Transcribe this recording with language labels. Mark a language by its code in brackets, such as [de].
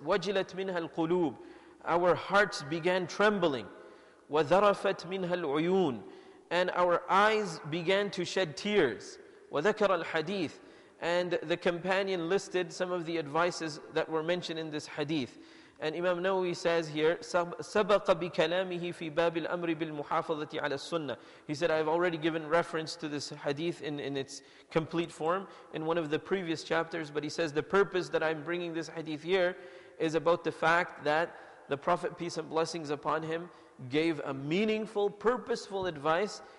[ar] Wajilat minha al-qulub, [en] our hearts began trembling. [ar] Wadharafat minha al-uyun, [en] and our eyes began to shed tears. [ar] Wadhakara al-hadith, [en] and the companion listed some of the advices that were mentioned in this hadith. And Imam Nawawi says here, [ar] سَبَقَ بِكَلَامِهِ فِي بَابِ الْأَمْرِ بِالْمُحَافَظَةِ عَلَى السُّنَّةِ. [en] He said, I've already given reference to this hadith in its complete form in one of the previous chapters, but he says, the purpose that I'm bringing this hadith here is about the fact that the Prophet, peace and blessings upon him, gave a meaningful, purposeful advice.